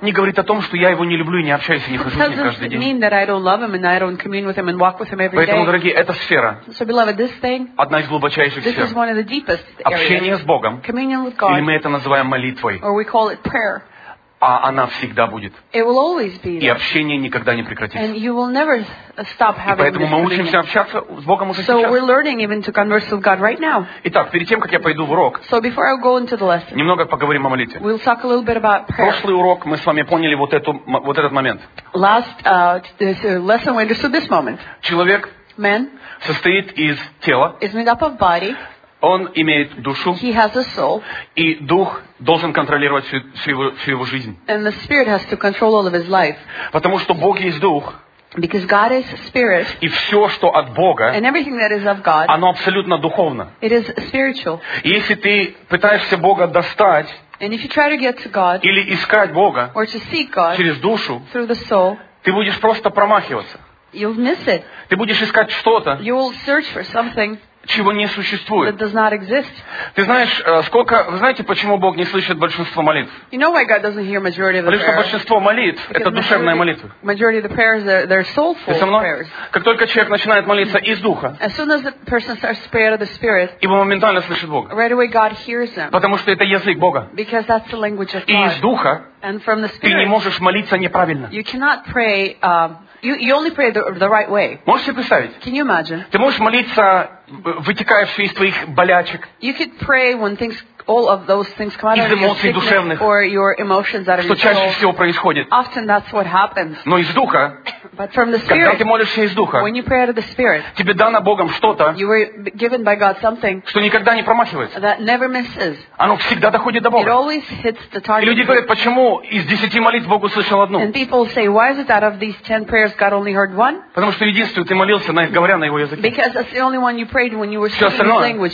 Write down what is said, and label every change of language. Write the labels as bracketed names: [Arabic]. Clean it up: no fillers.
[Russian] не говорит о том, что я Его не люблю и не общаюсь и не хожу с Ним каждый день. [English] It doesn't mean that I don't love Him and I don't commune with Him and walk with Him every [Russian] Поэтому, [English] day. [Russian] Поэтому, дорогие, эта сфера [English] so, beloved, this thing, [Russian] одна из глубочайших [English] this [Russian] сфер. [English] This is one of the deepest areas. [Russian] Общение с Богом. [English] Communion with God. [Russian] Или мы это называем молитвой. [English] Or we call it prayer. [Russian] А она всегда будет. [English] It will always be. [Russian] И общение никогда не прекратится. [English] And you will never stop having [Russian] И поэтому мы учимся общаться с Богом уже [English] so [Russian] сейчас. [English] We're learning even to converse with God right now. [Russian] Итак, перед тем, как я пойду в урок, [English] so before I go into the lesson, [Russian] немного поговорим о молитве. [English] We'll talk a little bit about prayer. [Russian] Прошлый урок мы с вами поняли вот этот момент. [English] Last, this lesson we understood this moment. [Russian] Человек [English] Man [Russian] состоит из тела. [English] Is made up of body. [Russian] Он имеет душу. [English] He has a soul. [Russian] И дух должен контролировать всю его жизнь. [English] And the spirit has to control all of his life. [Russian] Потому что Бог есть дух. [English] Because God is spirit. [Russian] И все, что от Бога, [English] And everything that is of God, [Russian] оно абсолютно духовно. [English] It is spiritual. [Russian] И если ты пытаешься Бога достать, [English] And if you try to get to God, [Russian] или искать Бога, [English] or to seek God, [Russian] через душу, [English] through the soul, [Russian] ты будешь просто промахиваться. [English] You'll miss it. [Russian] Ты будешь искать что-то. [English] You will search for something. [Russian] Чего не существует. [English] That does not exist. [Russian] Ты знаешь, сколько... Вы знаете, почему Бог не слышит большинство молитв? [English] You know why God doesn't hear majority of the [Russian] Потому что большинство молитв — это душевная молитва. [English] Majority of the prayers, they're soulful prayers. [Russian] Как только человек начинает молиться из Духа, [English] As soon as the person starts to pray out of the Spirit, [Russian] его моментально слышит Бог. [English] Right away God hears them. [Russian] Потому что это язык Бога. [English] Because that's the language of God. [Russian] И из Духа [English] And from the Spirit, [Russian] ты не можешь молиться неправильно. [English] You cannot pray... You only pray the right way. [Russian] Можешь себе представить? [English] Can you imagine? [Russian] Ты можешь молиться, вытекая все из твоих болячек. [English] You could pray when things, all of those things come out [Russian] из эмоций душевных. [English] Or your emotions that are [Russian] Что чаще всего происходит. [English] Often that's what happens. [Russian] Но из духа. [English] But from the spirit. [Russian] Когда ты молишься из духа. [English] When you pray out of the spirit. [Russian] Тебе дано Богом что-то. [English] You were given by God something. [Russian] Что никогда не промахивается. [English] That never misses. [Russian] Оно всегда доходит до Бога. [English] It always hits the target. [Russian] И люди говорят, почему из 10 молитв Богу слышал одну? [English] And people say, why is it out of these 10 prayers God only heard one? [Russian] Потому что единственное, ты молился, говоря на его языке. [English] Because that's the only one you prayed when you were speaking his language.